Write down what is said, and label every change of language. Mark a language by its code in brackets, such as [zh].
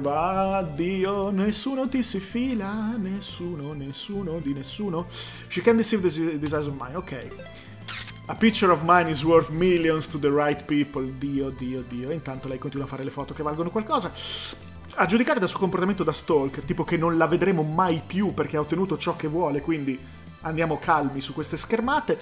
[it] Addio, nessuno ti si fila, nessuno di nessuno. [en] She can deceive this eyes of mine, ok. A picture of mine is worth millions to the right people. [it] Dio. Intanto lei continua a fare le foto che valgono qualcosa. A giudicare dal suo comportamento da stalker, tipo che non la vedremo mai più perché ha ottenuto ciò che vuole, quindi andiamo calmi su queste schermate.